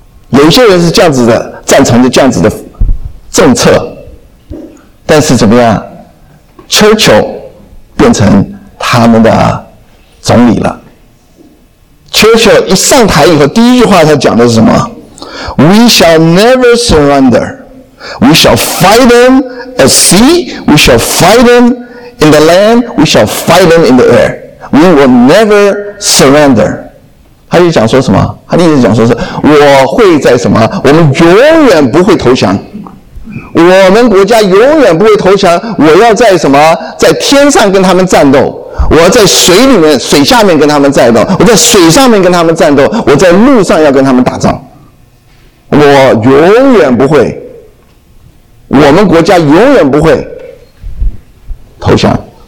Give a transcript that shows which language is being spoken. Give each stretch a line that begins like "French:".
Chinese: 有些人是这样子的，赞成的这样子的政策，但是怎么样，丘吉尔变成他们的总理了。 Churchill 一上台以后，第一句话他讲的是什么？
English: We shall never surrender. We shall fight them at sea. We shall fight them in the land. We shall fight them in the air. We will never surrender.
Chinese: 他就讲说什么？他的意思讲说是，我会在什么？我们永远不会投降。我们国家永远不会投降。我要在什么？在天上跟他们战斗。我在水里面水下面跟他们战斗，我在水上面跟他们战斗，我在路上要跟他们打仗，我永远不会，我们国家永远不会投降。